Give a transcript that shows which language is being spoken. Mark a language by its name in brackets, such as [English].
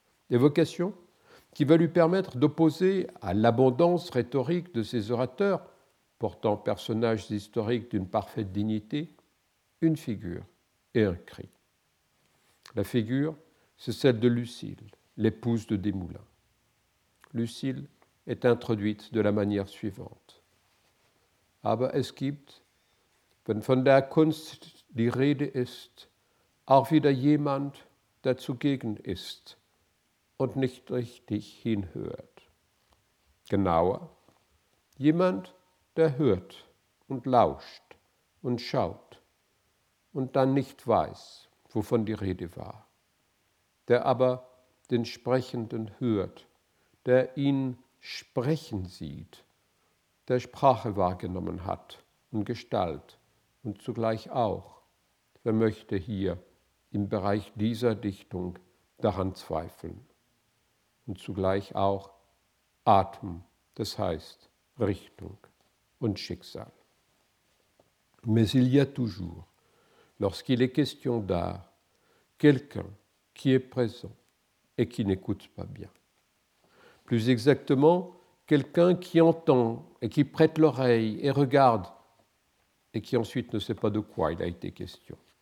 [French] Évocation qui va lui permettre d'opposer à l'abondance rhétorique de ses orateurs, portant personnages historiques d'une parfaite dignité, une figure et un cri. La figure, c'est celle de Lucille, l'épouse de Desmoulins. Lucille est introduite de la manière suivante. [German] Aber es gibt, wenn von der Kunst die Rede ist, auch wieder jemand, der zugegen ist, und nicht richtig hinhört. Genauer, jemand, der hört und lauscht und schaut und dann nicht weiß, wovon die Rede war, der aber den Sprechenden hört, der ihn sprechen sieht, der Sprache wahrgenommen hat und Gestalt und zugleich auch, wer möchte hier im Bereich dieser Dichtung daran zweifeln. Und zugleich auch Atem, das heißt Richtung und Schicksal. [French] Mais il y a toujours, lorsqu'il est question d'art, quelqu'un qui est présent et qui n'écoute pas bien. Plus exactement, quelqu'un qui entend et qui prête l'oreille et regarde et qui ensuite ne sait pas de quoi il a été question.